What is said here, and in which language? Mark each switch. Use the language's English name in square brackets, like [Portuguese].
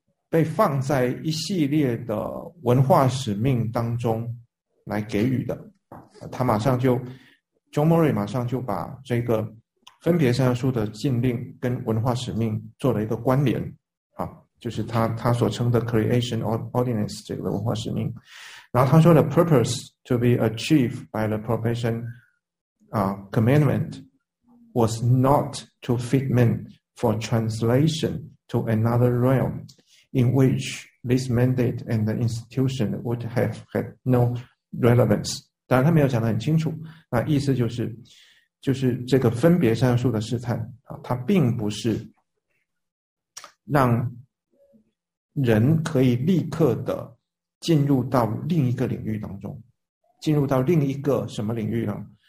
[Chinese] 被放在一系列的文化使命当中来给予的。他马上就 John Murray 马上就把这个分别善恶树的禁令跟文化使命做了一个关联啊，就是他所称的 Creation Ordinance 这个文化使命。然后他说的 [English] purpose to be achieved by the probation commandment was not to fit men for translation to another realm in which this mandate and the institution would have had no relevance. [Chinese] 当然他没有讲得很清楚，那意思就是这个分别善恶树的试探啊，它并不是让人可以立刻的进入到另一个领域当中，进入到另一个什么领域呢？